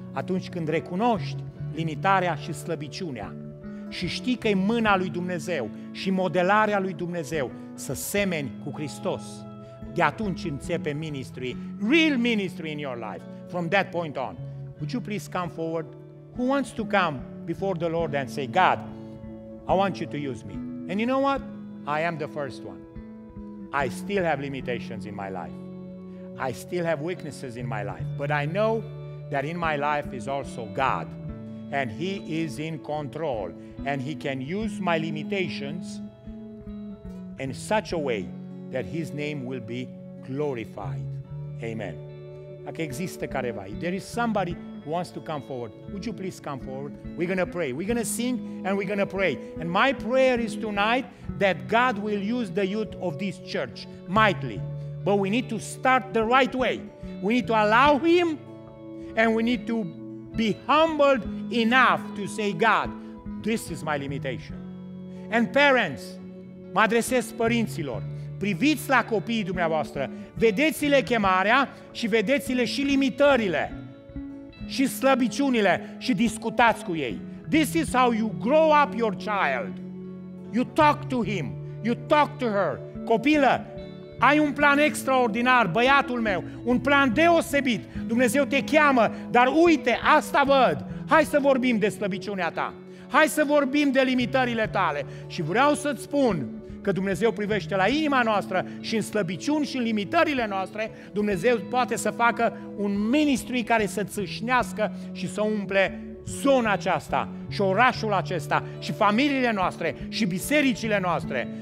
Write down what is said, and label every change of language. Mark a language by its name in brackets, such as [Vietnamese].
[Romanian] Atunci când recunoști limitarea și slăbiciunea și știi că e mâna lui Dumnezeu și modelarea lui Dumnezeu să semeni cu Hristos, de atunci începe ministry, [English] real ministry in your life, from that point on. Would you please come forward? Who wants to come before the Lord and say, God, I want you to use me. And you know what? I am the first one. I still have limitations in my life. I still have weaknesses in my life. But I know that in my life is also God. And He is in control. And He can use my limitations in such a way that His name will be glorified. Amen. [Romanian] Dacă există careva, [English] if there is somebody who wants to come forward, would you please come forward? We're going to pray. We're going to sing and we're going to pray. And my prayer is tonight that God will use the youth of this church mightily. But we need to start the right way. We need to allow Him and we need to be humbled enough to say, God, this is my limitation. And parents, [Romanian] mă adresez părinților, priviți la copiii dumneavoastră, vedeți-le chemarea și vedeți-le și limitările și slăbiciunile și discutați cu ei. [English] This is how you grow up your child. You talk to him, you talk to her. [Romanian] Copilă, ai un plan extraordinar, băiatul meu, un plan deosebit. Dumnezeu te cheamă, dar uite, asta văd. Hai să vorbim de slăbiciunea ta. Hai să vorbim de limitările tale. Și vreau să-ți spun că Dumnezeu privește la inima noastră și în slăbiciuni și în limitările noastre, Dumnezeu poate să facă un ministry care să țâșnească și să umple zona aceasta și orașul acesta și familiile noastre și bisericile noastre.